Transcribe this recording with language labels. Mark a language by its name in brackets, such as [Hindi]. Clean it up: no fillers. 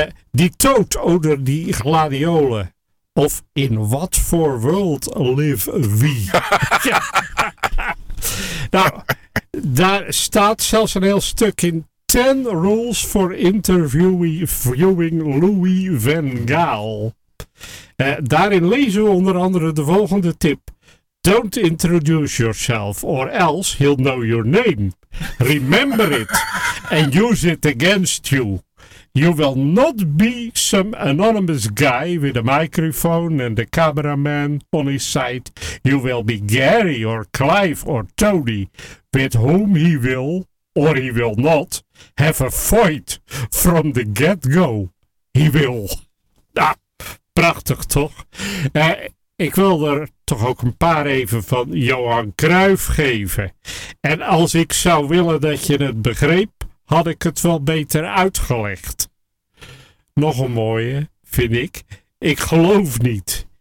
[Dutch] Die toot onder die gladiolen. Of [English] in what for world live we? [Dutch] Ja. Nou, daar staat zelfs een heel stuk in. [English] 10 rules for interviewing Louis van Gaal. [Dutch] Daarin lezen we onder andere de volgende tip. [English] Don't introduce yourself or else he'll know your name. Remember it and use it against you. You will not be some anonymous guy with a microphone and a cameraman on his side. You will be Gary or Clive or Tony with whom he will or he will not have a fight from the get-go. He will. [Dutch] Ah. Prachtig toch? Ik wil er toch ook een paar even van Johan Cruijff geven. En als ik zou willen dat je het begreep, had ik het wel beter uitgelegd. Nog een mooie, vind ik. Ik geloof niet.